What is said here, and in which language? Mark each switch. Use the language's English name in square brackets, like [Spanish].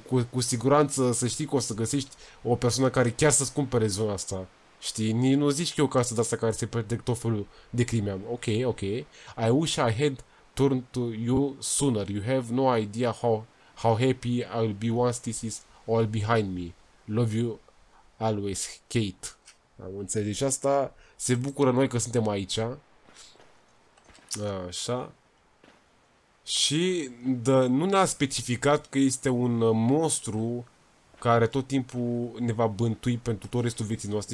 [Romanian] Cu siguranță să știi că o să găsești o persoană care chiar să-ți cumpere zona asta. Știi, nu zici că e o casă de asta care se predec tot felul de crime. Ok. [English] I wish I had turned to you sooner. You have no idea how happy I'll be once this is all behind me. Love you always, Kate. [Romanian] Am înțeles. Deci asta se bucură noi că suntem aici. Așa. Și nu ne-a specificat că este un monstru care tot timpul ne va bântui pentru tot restul vieții noastre.